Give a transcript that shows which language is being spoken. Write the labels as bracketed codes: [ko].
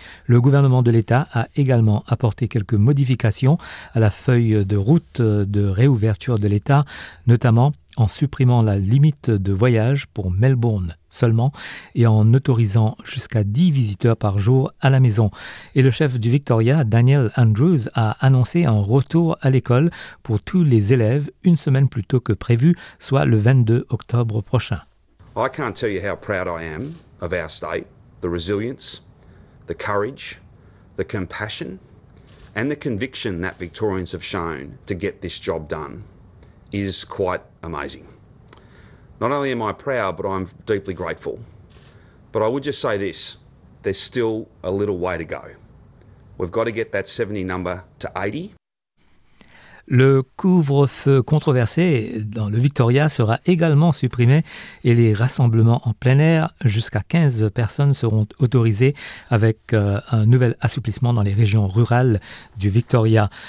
[fr] Le gouvernement de l'État a également apporté quelques modifications à la feuille de route de réouverture de l'État, notamment en supprimant la limite de voyage pour Melbourne seulement et en autorisant jusqu'à 10 visiteurs par jour à la maison. Et le chef du Victoria, Daniel Andrews, a annoncé un retour à l'école pour tous les élèves une semaine plus tôt que prévu, soit le 22 octobre prochain. [en] I can't tell you how proud I am of our state, the resilience, the courage, the compassion and the conviction that Victorians have shown to get this job done is quite amazing. Not only am I proud, but I'm deeply grateful. But I would just say this, there's still a little way to go. We've got to get that 70 number to 80. [fr] Le couvre-feu controversé dans le Victoria sera également supprimé et les rassemblements en plein air jusqu'à 15 personnes seront autorisés avec un nouvel assouplissement dans les régions rurales du Victoria.